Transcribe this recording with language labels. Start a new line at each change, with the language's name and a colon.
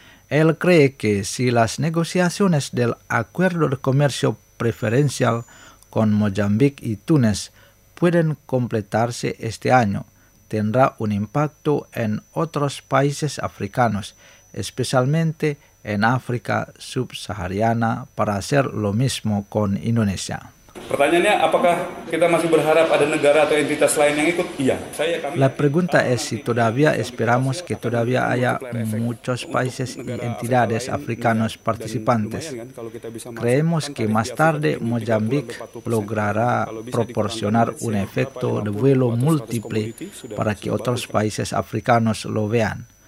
Spanish: Él cree que si las negociaciones del acuerdo de comercio preferencial con Mozambique y Túnez pueden completarse este año, tendrá un impacto en otros países africanos, especialmente en África subsahariana, para hacer lo mismo con Indonesia.
Indonesian: Pertanyaannya, apakah kita masih berharap ada negara atau entitas lain yang ikut? Iya.
Spanish: La pregunta es si todavía esperamos que todavía haya muchos países y entidades africanos participantes. Creemos que más tarde Mozambique logrará proporcionar un efecto de vuelo múltiple para que otros países africanos lo vean.